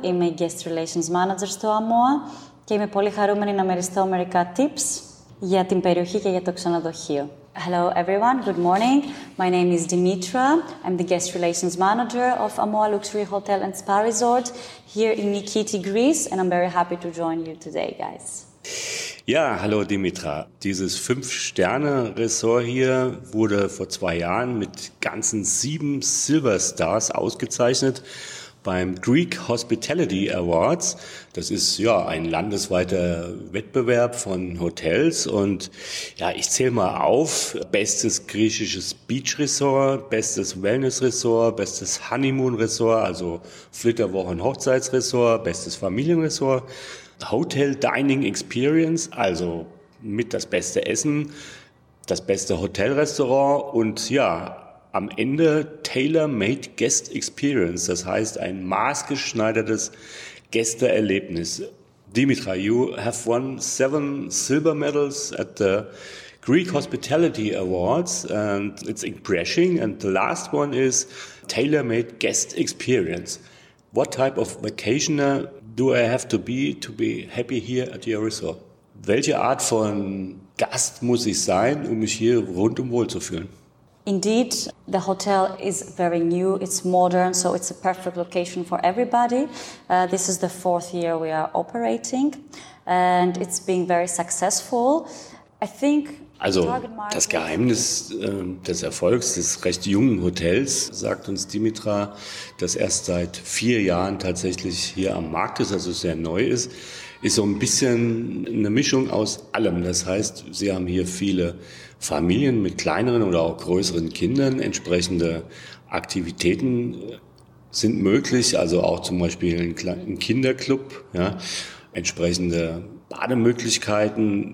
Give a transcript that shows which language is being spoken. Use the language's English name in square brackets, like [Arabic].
[Greek] Είμαι Guest Relations Manager στο Amoa. Και είμαι πολύ χαρούμενη να μεριστώ μερικά tips για την περιοχή και για το ξενοδοχείο. [English] Hello everyone, good morning. My name is Dimitra. I'm the guest relations manager of Amoa Luxury Hotel and Spa Resort here in Nikiti, Greece, and I'm very happy to join you today, guys. [German] Ja, hallo Dimitra. Dieses 5-Sterne-Resort hier wurde vor 2 Jahren mit ganzen 7 Silver Stars ausgezeichnet beim Greek Hospitality Awards. Das ist ja ein landesweiter Wettbewerb von Hotels und ja, ich zähle mal auf: bestes griechisches Beach Resort, bestes Wellness Resort, bestes Honeymoon Resort, also Flitterwochen Hochzeitsresort, bestes Familienresort, Hotel Dining Experience, also mit das beste Essen, das beste Hotelrestaurant und ja, am Ende Tailor-Made Guest Experience, das heißt ein maßgeschneidertes Gästeerlebnis. [English] Dimitra, you have won 7 silver medals at the Greek Hospitality Awards and it's impressive. And the last one is Tailor-Made Guest Experience. What type of vacationer do I have to be happy here at your resort? [German] Welche Art von Gast muss ich sein, um mich hier rundum wohl zu fühlen? [English] Indeed, the hotel is very new, it's modern, so it's a perfect location for everybody. This is the 4th year we are operating and it's been very successful. I think [German] also das Geheimnis des Erfolgs des recht jungen Hotels, sagt uns Dimitra, das erst seit 4 Jahren tatsächlich hier am Markt ist, also sehr neu ist, ist so ein bisschen eine Mischung aus allem. Das heißt, sie haben hier viele Familien mit kleineren oder auch größeren Kindern, entsprechende Aktivitäten sind möglich, also auch zum Beispiel ein Kinderclub, ja, entsprechende Bademöglichkeiten.